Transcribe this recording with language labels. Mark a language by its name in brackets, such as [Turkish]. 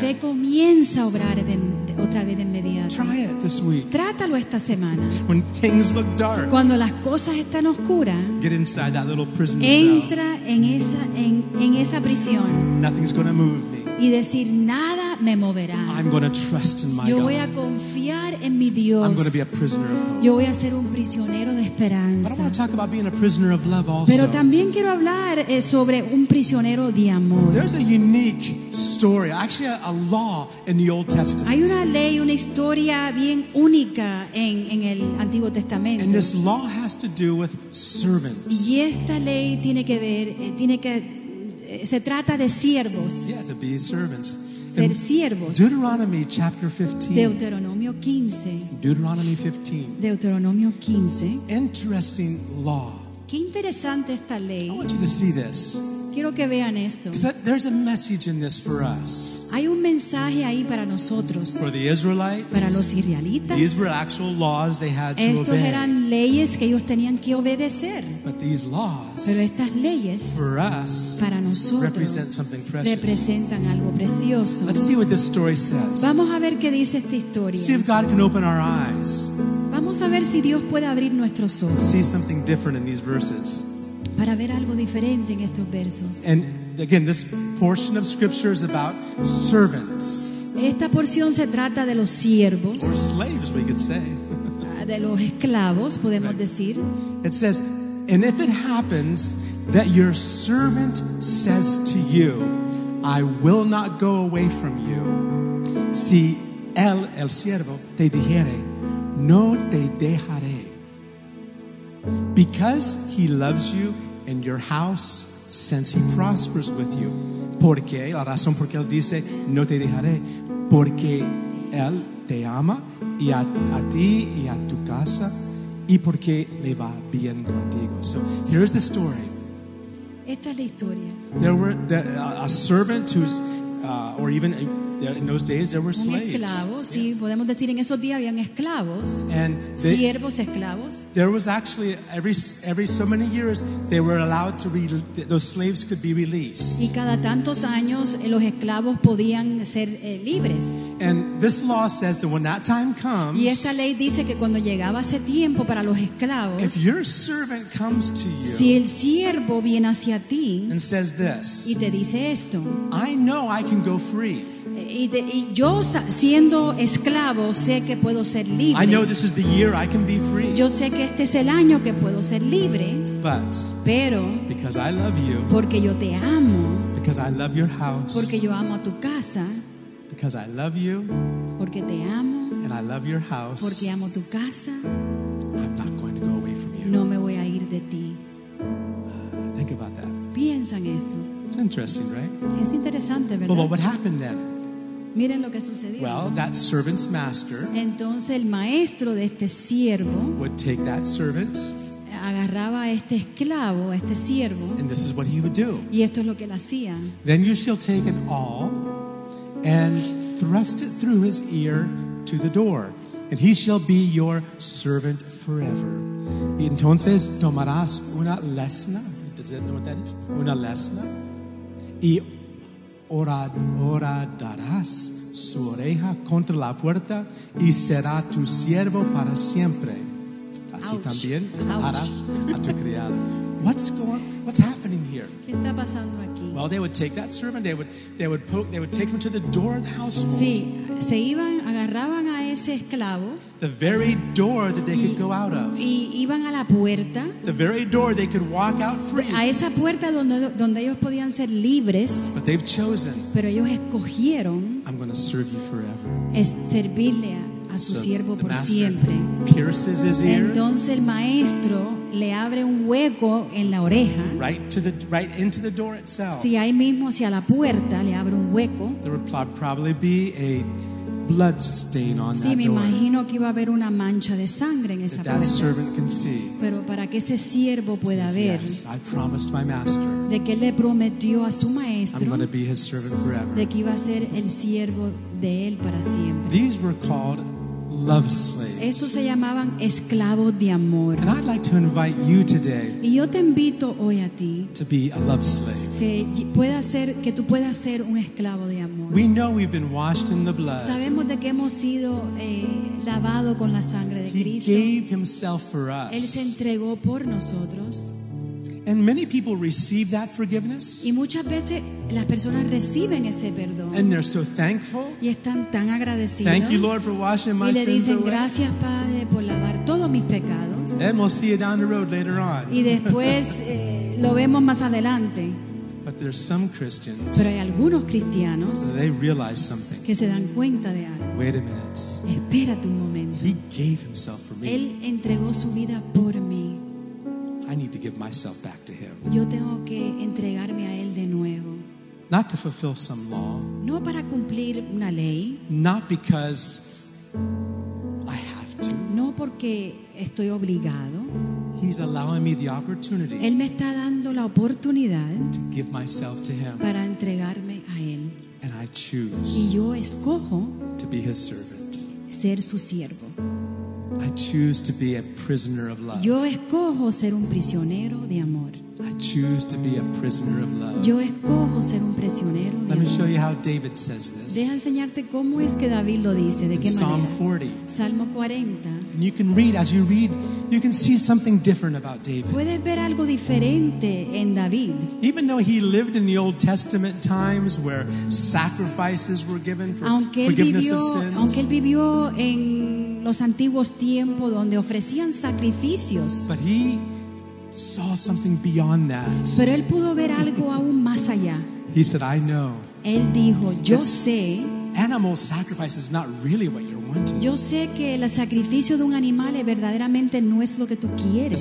[Spanish] La fe comienza a obrar otra vez de inmediato. [English] Try it this week. [Spanish] Trátalo esta semana. [English] When things look dark. [Spanish] Cuando las cosas están oscuras. [English] Get inside that little prison cell. [Spanish] Entra en esa prisión. [English] Nothing's going to move me. [Spanish] Y decir, nada me moverá. [English] I'm going to trust in my [Spanish] yo [English] God. [Spanish] Voy a confiar en mi Dios. [English] I'm going to be a prisoner of hope. [Spanish] Yo voy a ser un prisionero de esperanza. [English] But I want to talk about being a prisoner of love also. [Spanish] Pero también quiero hablar sobre un prisionero de amor. [English] There's a unique story, actually a law in the Old Testament. [Spanish] Hay una ley, una historia bien única en el Antiguo Testamento. [English] And this law has to do with servants. [Spanish] Y esta ley tiene que ver, tiene que se trata de siervos. [English] Yeah, to be servants. [Spanish] Ser siervos. [English] Deuteronomy chapter 15. [Spanish] Deuteronomio 15. [English] Deuteronomy 15. [Spanish] Deuteronomio 15. [English] Interesting law. [Spanish] Qué interesante esta ley. [English] I want you to see this. [Spanish] quiero que vean esto. [English] There's a message in this for us. [Spanish] Hay un mensaje ahí para nosotros. [English] For the Israelites. [Spanish] Para los israelitas. [English] These were actual laws they had [Spanish] Estos [English] to obey. [Spanish] Eran leyes que ellos tenían que obedecer. [English] But these laws. [Spanish] Pero estas leyes. [English] For us. [Spanish] Para nosotros. [English] Represent something precious. [Spanish] Representan algo precioso. [English] Let's see what this story says. [Spanish] Vamos a ver qué dice esta historia. [English] See if God can open our eyes. [Spanish] Vamos a ver si Dios puede abrir nuestros ojos. [English] See something different in these verses. [Spanish] Para ver algo diferente en estos versos. [English] And again, this portion of scripture is about servants. [Spanish] Esta porción se trata de los siervos. [English] Or slaves, we could say. [Spanish] De los esclavos, podemos [English] right. [Spanish] decir. [English] It says, and if it happens that your servant says to you, I will not go away from you, [Spanish] si él, el siervo, te dijere, no te dejaré. [English] Because he loves you and your house, since he prospers with you. [Spanish] ¿Por qué? La razón por qué él dice, no te dejaré. Porque él te ama, y a ti y a tu casa, y porque le va bien contigo. [English] So here's the story. [Spanish] Esta es la historia. [English] There were a servant who's, or even a, there, in those days there were slaves. [Spanish] Esclavo, sí, yeah. podemos decir en esos días habían esclavos, [English] and they, [Spanish] siervos esclavos. [English] There was actually every so many years they were allowed to those slaves could be released. [Spanish] Y cada tantos años los esclavos podían ser libres. [English] And this law says that when that time comes, [Spanish] y esta ley dice que cuando llegaba ese tiempo para los esclavos, [English] if your servant comes to you, [Spanish] si el siervo viene hacia ti, [English] and says this, [Spanish] y te dice esto, [English] I know I can go free. [Spanish] Y yo siendo esclavo sé que puedo ser libre. [English] I know this is the year I can be free. [Spanish] Yo sé que este es el año que puedo ser libre. [English] But, [Spanish] pero [English] because I love you, [Spanish] porque yo te amo, [English] because I love your house, [Spanish] porque yo amo a tu casa, [English] because I love you, [Spanish] porque te amo, [English] and I love your house, [Spanish] porque amo tu casa, [English] I'm not going to go away from you. [Spanish] No me voy a ir de ti. [English] Think about that. [Spanish] Piensa en esto. [English] It's interesting, right? [Spanish] Es interesante, ¿verdad? [English] But what happened then? [Spanish] Miren lo que sucedió. [English] Well, that servant's master, [Spanish] entonces el maestro de este siervo, [English] would take that servant, [Spanish] agarraba a este esclavo, a este siervo, [English] and this is what he would do. [Spanish] Y esto es lo que él hacía. [English] Then you shall take an awl and thrust it through his ear to the door, and he shall be your servant forever. [Spanish] Y entonces tomarás una lesna. [English] Does anyone know what that is? [Spanish] Una lesna. Y horadarás su oreja contra la puerta y será tu siervo para siempre. Así [English] Ouch. [Spanish] También [English] Ouch. [Spanish] Harás a tu criado. [English] What's happening here? [Spanish] ¿Qué está pasando aquí? [English] Well, they would take that servant, they would take him to the door of the household. [Spanish] Sí, se iban, agarraban a ese esclavo. [English] The very door that they could go out of. [Spanish] Y iban a la puerta. [English] The very door they could walk out free. [Spanish] A esa puerta donde ellos podían ser libres. [English] But they've chosen. [Spanish] Pero ellos escogieron. [English] I'm going to serve you forever. [Spanish] Es servirle a su siervo por siempre. [English] Pierces his ear. [Spanish] Entonces el maestro le abre un hueco en la oreja. [English] Right into the door itself. [Spanish] Sí, ahí mismo hacia la puerta le abre un hueco. [English] There would probably be a blood stain on [Spanish] sí, [English] that [Spanish] me imagino que iba a haber una mancha de sangre en esa [English] that [Spanish] puerta. [English] That servant can see. [Spanish] Pero para que ese siervo pueda [English] says, [Spanish] ver. [English] Yes, I promised my master. [Spanish] De que le prometió a su maestro. [English] I'm going to be his servant forever. [Spanish] De que iba a ser el siervo de él para siempre. [English] These were called love slaves. [Spanish] Estos se llamaban esclavos de amor. [English] And I'd like to invite you today. [Spanish] Y yo te invito hoy a ti. [English] To be a love slave. [Spanish] Que tú puedas ser un esclavo de amor. [English] We know we've been washed in the blood. [Spanish] Sabemos de que hemos sido lavado con la sangre de Cristo. [English] He gave himself for us. [Spanish] Él se entregó por nosotros. [English] And many people receive that forgiveness. [Spanish] Y muchas veces las personas reciben ese perdón. [English] And they're so thankful. [Spanish] Y están tan agradecidos. [English] Thank you, Lord, for washing my sins away. [Spanish] Y le dicen gracias, Padre, por lavar todos mis pecados. [English] And we'll see you down the road later on. [Spanish] Y después lo vemos más adelante. [English] But there's some Christians. [Spanish] Pero hay algunos cristianos. [English] They realize something. [Spanish] Que se dan cuenta de algo. [English] Wait a minute. [Spanish] Espérate un momento. [English] He gave himself for me. [Spanish] Él entregó su vida por mí. [English] I need to give myself back to him. [Spanish] Yo tengo que entregarme a él de nuevo. [English] Not to fulfill some law. [Spanish] No para cumplir una ley. [English] Not because I have to. [Spanish] No porque estoy obligado. [English] He's allowing me the opportunity. [Spanish] Él me está dando la oportunidad [English] to give myself to him. [Spanish] Para entregarme a él. [English] And I choose. [Spanish] Y yo escojo [English] to be his servant. [Spanish] Ser su siervo. [English] I choose to be a prisoner of love. [Spanish] Yo escojo ser un prisionero de amor. [English] I choose to be a prisoner of love. [Spanish] Yo escojo ser un prisionero de [English] Let me show you how David says this. [Spanish] Deja enseñarte cómo es que David lo dice, de [English] In [Spanish] qué [English] Psalm [Spanish] manera. [English] Psalm 40. [Spanish] Salmo 40. [English] And you can read, as you read, you can see something different about David. [Spanish] Puedes ver algo diferente en David. [English] Even though he lived in the Old Testament times where sacrifices were given for forgiveness [Spanish] vivió, [English] of sins. [Spanish] Aunque él vivió en los antiguos tiempos donde ofrecían sacrificios. [English] But he saw something beyond that. [Spanish] Pero él pudo ver algo aún más allá. [English] He said, I know. [Spanish] Él dijo, yo sé. [English] Animal sacrifice is not really what you're wanting. [Spanish] Yo sé que el sacrificio de un animal verdaderamente no es lo que tú quieres.